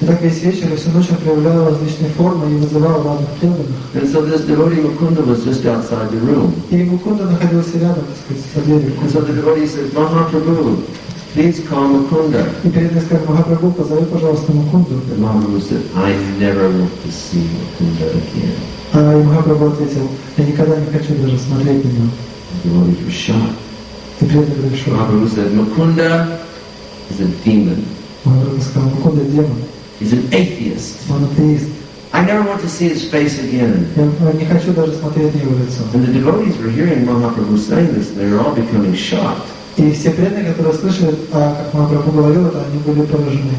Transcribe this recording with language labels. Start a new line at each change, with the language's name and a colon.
English: And so this devotee Mukunda was just outside the room. And so the devotee said, Mahaprabhu, please call Mukunda. And Mahaprabhu said, I never want to see Mukunda again.
Russian: Mahaprabhu ответил, я никогда не хочу даже смотреть на него.
English: The devotee was shocked. Mahaprabhu said, Mukunda is a demon.
Russian: Mahaprabhu сказал, Mukunda демон.
English: He's an atheist.
Russian: Он атеист.
English: I never want to see his face again. And the devotees were hearing Mahaprabhu saying this, they were all becoming shocked.
Russian: И все преданные, которые слышали, как Махапрабху говорил это, они были поражены.